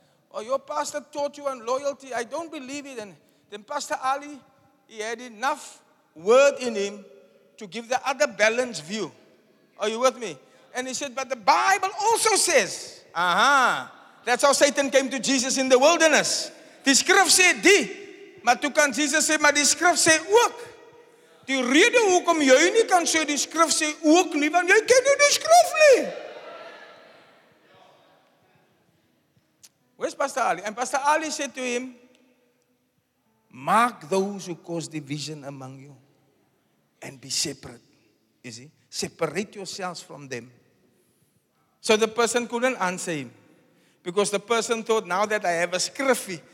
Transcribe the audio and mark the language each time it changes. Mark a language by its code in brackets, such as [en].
[en] Or your pastor taught you on loyalty. I don't believe it. And then Pastor Ali, he had enough word in him to give the other balanced view. Are you with me? And he said, but the Bible also says, that's how Satan came to Jesus in the wilderness. The script said, [af] Maar toe kan Jesus sê, maar die skrif sê ook. Die rede hoekom jy nie kan sê die skrif sê ook nie, want jy ken nie die skrif nie. [en] Where's Pastor Ali? And Pastor Ali said to him, mark those who cause division among you and be separate. You see? Separate yourselves from them. So the person couldn't answer him. Because the person thought, now that I have a scriffy,